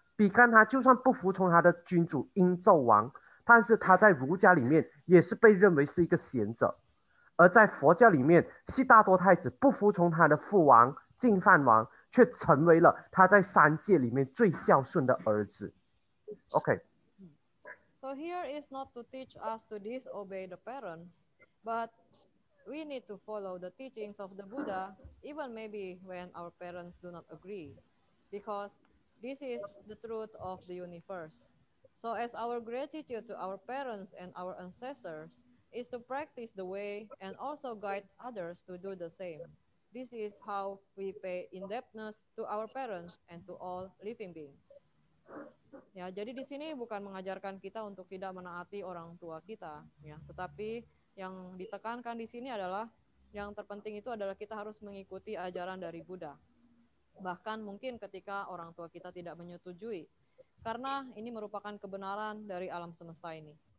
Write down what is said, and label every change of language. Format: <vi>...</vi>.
<zh>比干他就算不服从他的君主英纣王，但是他在儒家里面也是被认为是一个贤者。而在佛教里面，悉达多太子不服从他的父王净饭王，却成为了他在三界里面最孝顺的儿子。OK.</zh> <en>So here is not to teach us to disobey the parents, but we need to follow the teachings of the Buddha, even maybe when our parents do not agree, because this is the truth of the universe. So as our gratitude to our parents and our ancestors is to practice the way and also guide others to do the same. This is how we pay indebtedness to our parents and to all living beings.</en> <id>Ya, jadi di sini bukan mengajarkan kita untuk tidak menaati orang tua kita, ya. Tetapi yang ditekankan di sini adalah yang terpenting itu adalah kita harus mengikuti ajaran dari Buddha. Bahkan mungkin ketika orang tua kita tidak menyetujui, karena ini merupakan kebenaran dari alam semesta ini.</id>